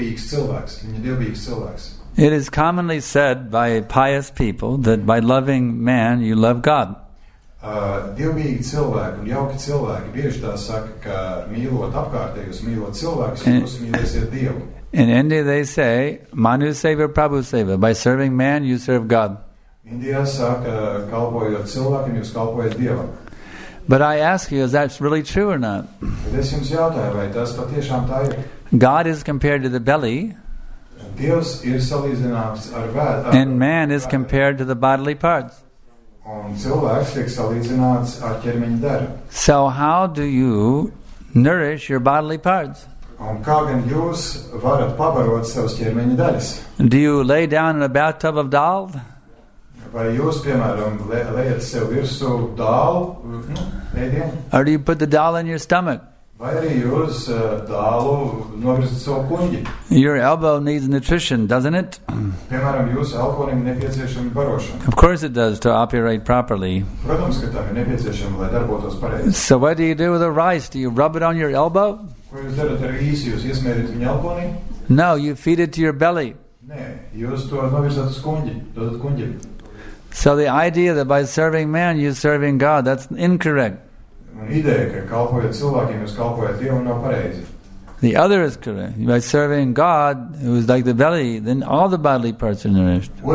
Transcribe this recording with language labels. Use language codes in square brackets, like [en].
[en] It is commonly said by pious people that by loving man you love God. [lv] Dievbīgi cilvēki un jauki cilvēki bieži tā saka, ka mīlot apkārtējus, mīlot cilvēkus, jūs mīlēsiet Dievu. [en] In India they say, [hi] Manu Seva, Prabhu Seva. [en] By serving man, you serve God. [lv] India saka, kalpojot cilvēkiem, jūs kalpojat Dievam. [en] But I ask you, is that really true or not? [lv] Es jums jautāju, vai tas patiešām tā ir? [en] God is compared to the belly. [lv] Dievs ir salīdzināms ar vēdā. [en] And man is compared to the bodily parts. [lv] Un cilvēks tiek salīdzināts ar ķermeņa daru. [en] So how do you nourish your bodily parts? [lv] Un kā gan jūs varat pabarot savas ķermeņa daļas? [en] Do you lay down in a bathtub of dal? [lv] Vai jūs, piemēram, lejat sev virsū dalu, nu, ēdienu? [en] Or do you put the dal in your stomach? [lv] Vai arī jūs dalu novirzat savu kuņģi? [en] Your elbow needs nutrition, doesn't it? [lv] Piemēram, jūs elkonim nepieciešami barošana. [en] Of course it does, to operate properly. [lv] Protams, ka tam ir nepieciešami, lai darbotos pareizi. [en] So what do you do with the rice? Do you rub it on your elbow? [lv] Ko jūs darat ar rīsi? Jūs iesmērīt viņu elkonī? [en] No, you feed it to your belly. [lv] Nē, jūs to novirzat uz kuņģi, dodat kuņģim. [en] So the idea that by serving man you're serving God, that's incorrect. The other is correct. By serving God, who is like the belly, then all the bodily parts are nourished.